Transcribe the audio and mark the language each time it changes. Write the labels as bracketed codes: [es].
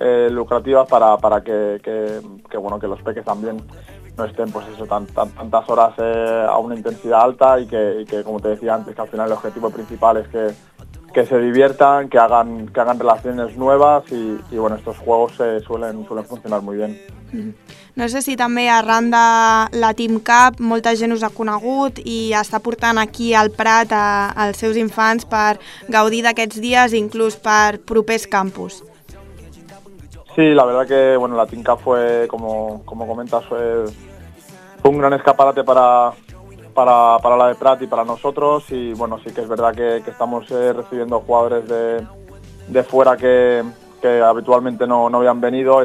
[es] lucrativas para que los peques también no estén pues eso tantas horas a una intensidad alta, y que como te decía antes, que al final el objetivo principal es que se diviertan, que hagan relaciones nuevas, y bueno, estos juegos suelen funcionar muy bien. [ca] No sé si també arran de la Team Cup molta gent us ha conegut i està portant aquí al Prat als seus infants per gaudir d'aquests dies, inclús per propers campus. [es] Sí, la verdad que bueno, la Team Cup fue, como comentas, fue un gran escaparate para la de Prat y para nosotros, y bueno, sí que es verdad que estamos recibiendo jugadores de fuera que habitualmente no habían venido.